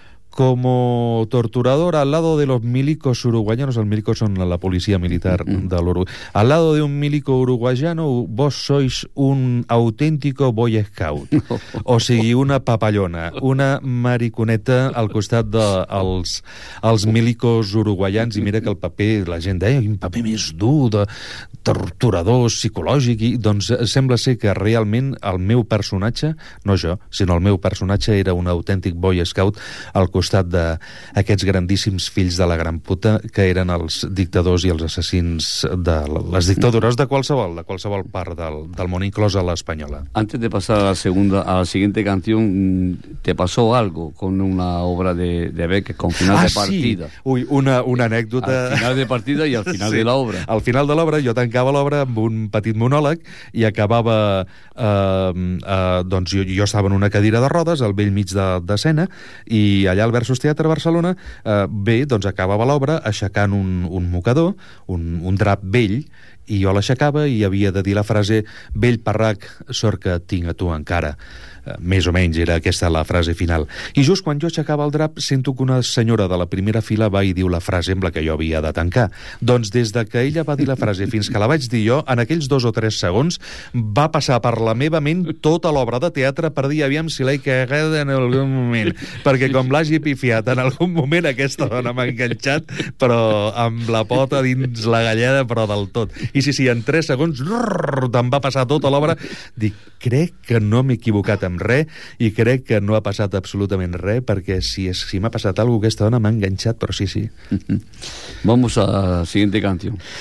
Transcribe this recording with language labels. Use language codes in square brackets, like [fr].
[es] como torturador al lado de los milicos uruguayanos, los milicos son la policía militar del Uruguay, al lado de un milico uruguayano vos sois un auténtico boy scout, [ca] o sigui una papallona, una mariconeta al costat dels milicos uruguayans. I mira que el paper, la gent deia un paper més dur, de torturador psicològic, i doncs sembla ser que realment el meu personatge, no jo, sinó el meu personatge, era un autèntic boy scout al costat d'aquests grandíssims fills de la gran puta que eren els dictadors i els assassins de les dictadures de qualsevol part del món, inclòs a l'espanyola. [es] Antes de passar a la siguiente canción, ¿te pasó algo con una obra de Beckett, con Final de Partida? [ca] Ah, sí. Ui, una anècdota. Al final de partida i al final, sí, de l'obra. Al final de l'obra, jo tancava l'obra amb un petit monòleg i acabava... doncs jo estava en una cadira de rodes al vell mig d'escena, i allà al Versus Teatre a Barcelona, bé, doncs acabava l'obra aixecant un mocador, un drap vell, i jo l'aixecava i havia de dir la frase «Vell parrac, sort que tinc a tu encara». Més o menys era aquesta la frase final. I just quan jo aixecava el drap, sento que una senyora de la primera fila va i diu la frase amb la que jo havia de tancar. Doncs des de que ella va dir la frase fins que la vaig dir jo, en aquells 2 o 3 segons, va passar per la meva ment tota l'obra de teatre per dir, aviam si l'he cagat en algun moment. Perquè com l'hagi pifiat en algun moment, aquesta dona m'ha enganxat, però amb la pota dins la galleda, però del tot. I sí, en 3 segons, te'n va passar tota l'obra. Dic, crec que no m'he equivocat amb res i crec que no ha passat absolutament res, perquè si m'ha passat alguna cosa, aquesta dona m'ha enganxat, però sí. [es] Vamos a la siguiente canción.